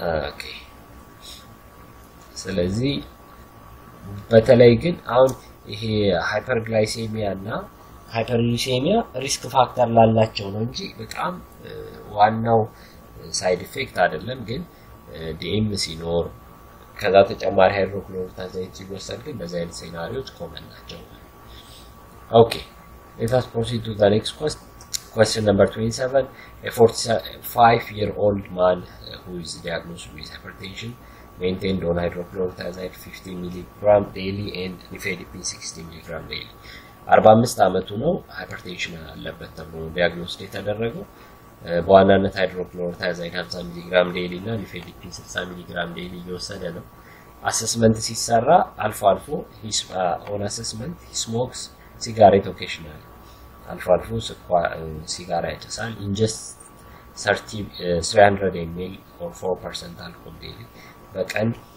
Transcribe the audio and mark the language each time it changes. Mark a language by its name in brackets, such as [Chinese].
[Amharic] ኦኬ። ስለዚህ በተለይ ግን አሁን ይሄ ሃይፐርግላይሲሚያ እና hyperuricemia risk factor ላላቸው ነው እንጂ በጣም ዋናው side effect አይደለም። ግን DM ሲኖር ከዛ ተጨማሪ hydrochlorothiazide ሲወሰድ ግን በዛ አይነት ሴናሪዮት common ናቸው። [English] Okay, let us proceed to the next question. Question number 27. A 45-year-old man who is diagnosed with hypertension maintained on hydrochlorothiazide 50 mg daily and nifedipine 60 mg daily. [Amharic] 45 ዓመቱ ነው። ሃይፐርቴንሽን አለበት ተብሎ ዲያግኖስቲክ የተደረገው በዋናነት ሃይድሮክሎሮታይዛይድ 50 ሚሊ ግራም ዴይሊ እና ኒፌዲፒን 60 ሚሊ ግራም ዴይሊ እየወሰደ ነው። አሰስመንት ሲሰራ አልፎ አልፎ [English] ሂስ ኦን አሰስመንት ሂ ስሞክስ ሲጋሬት ኦኬሽናል [Amharic] አልፎ አልፎ ሲጋራ ያጨሳል። [English] ኢንጀስት 300 ኤምኤል ኦር 4% አልኮል ዴይሊ [Amharic] በቀን